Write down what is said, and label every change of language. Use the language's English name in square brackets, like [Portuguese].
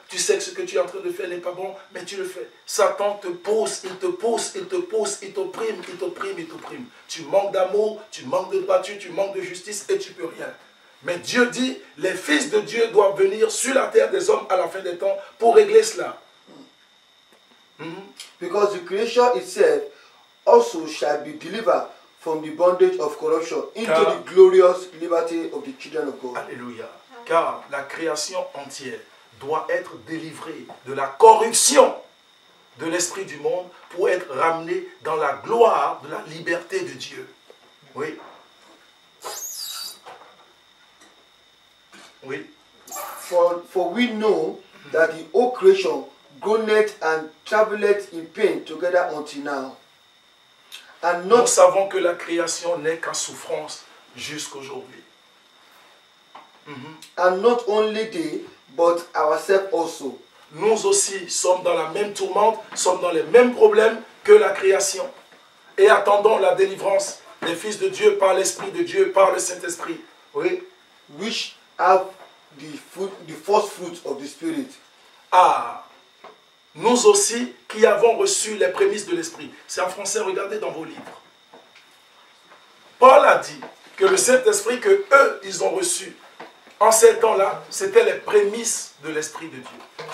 [French] Tu sais que ce que tu es en train de faire n'est pas bon, mais tu le fais. Satan te pousse, il te pousse, il te pousse, il t'opprime, il t'opprime, il t'opprime. Tu manques d'amour, tu manques de droiture, tu manques de justice et tu ne peux rien. Mais Dieu dit, les fils de Dieu doivent venir sur la terre des hommes à la fin des temps pour régler cela. Mm-hmm. [English] Because the creation itself also shall be delivered from the bondage of corruption into the glorious liberty of the children of God. [French] Alléluia. Car la création entière doit être délivrée de la corruption de l'esprit du monde pour être ramenée dans la gloire de la liberté de Dieu. Oui. Oui. [English] For we know that the whole creation groaneth and travaileth in pain together until now. And not... [French] Nous savons que la création n'est qu'en souffrance jusqu'aujourd'hui. [English] Mm-hmm. And not only they, but ourselves also. [French] Nous aussi sommes dans la même tourmente, sommes dans les mêmes problèmes que la création. Et attendons la délivrance des fils de Dieu par l'Esprit de Dieu, par le Saint-Esprit. Oui. [English] Which have the first fruit of the Spirit. [French] Ah, nous aussi qui avons reçu les prémices de l'Esprit. C'est en français, regardez dans vos livres. Paul a dit que le Saint-Esprit que eux, ils ont reçu en ces temps-là, c'était les prémices de l'Esprit de Dieu.